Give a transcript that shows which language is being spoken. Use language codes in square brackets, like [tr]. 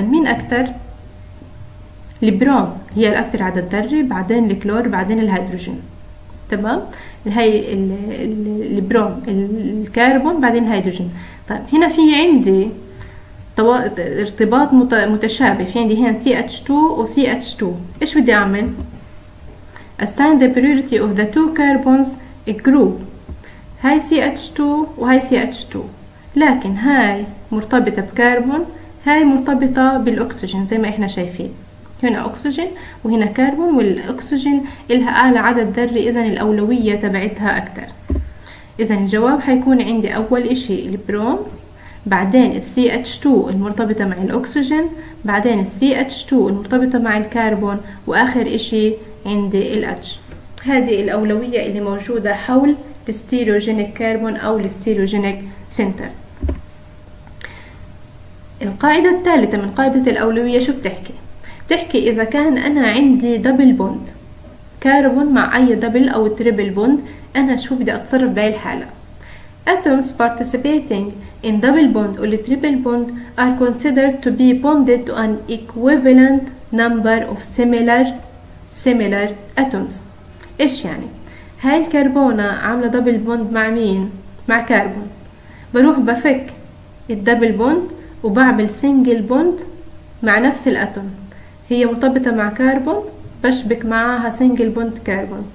[ar] مين أكثر؟ البروم هي الأكثر عدد ذري، بعدين الكلور، بعدين الهيدروجين. تمام؟ هاي البروم، الكربون، بعدين الهيدروجين. طيب هنا في عندي ارتباط متشابه، في عندي هنا CH2 و CH2. ايش بدي اعمل؟ [en] assign the priority of the two carbons a group. [ar] هاي CH2 وهاي CH2، لكن هاي مرتبطة بكربون، هاي مرتبطة بالاكسجين زي ما احنا شايفين. هنا اكسجين وهنا كربون، والاكسجين لها اعلى عدد ذري، اذا الاولوية تبعتها اكتر. اذا الجواب حيكون عندي اول اشي البروم، بعدين CH2 المرتبطة مع الأكسجين، بعدين CH2 المرتبطة مع الكربون، وآخر إشي عندي الأتش. هذه الأولوية اللي موجودة حول الستيروجينيك كربون أو الستيروجينيك سنتر. القاعدة الثالثة من قاعدة الأولوية شو بتحكي؟ بتحكي إذا كان أنا عندي دبل بوند، كاربون مع اي دبل او تريبل بوند، انا شو بدي اتصرف بهاي الحاله. [en] Atoms participating in double bond or triple bond are considered to be bonded to an equivalent number of similar atoms. [ar] إيش يعني؟ هاي الكربونة عاملة [en] double bond [ar] مع مين؟ مع كربون. بروح بفك الدبل بوند وبعمل [en] single bond [ar] مع نفس الأتوم. هي مرتبطة مع كربون، بشبك معاها [en] single bond [ar] كربون.